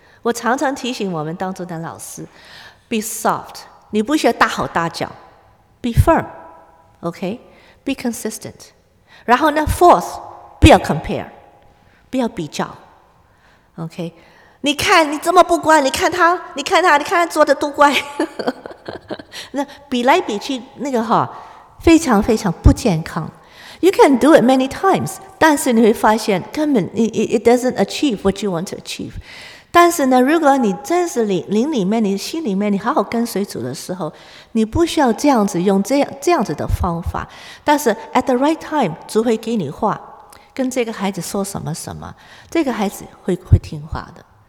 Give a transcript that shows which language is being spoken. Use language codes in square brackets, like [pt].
[zh] 我常常提醒我们当中的老师， [en] be soft， [zh] 你不需要大吼大叫， [en] be firm， [zh] OK， [en] be consistent， [zh] 然后呢 fourth， 不要 compare， 不要比较， OK，你看你这么不乖，你看他，你看他，你看他做的多乖。那比来比去，那个哈，非常非常不健康。 [en] You can do it many times， [zh] 但是你会发现根本 [en] it doesn't achieve what you want to achieve。 [zh] 但是呢，如果你真是灵里面，你心里面，你好好跟随主的时候，你不需要这样子用这样子的方法。但是 [en] at the right time， [zh] 主会给你话，跟这个孩子说什么什么，这个孩子会听话的。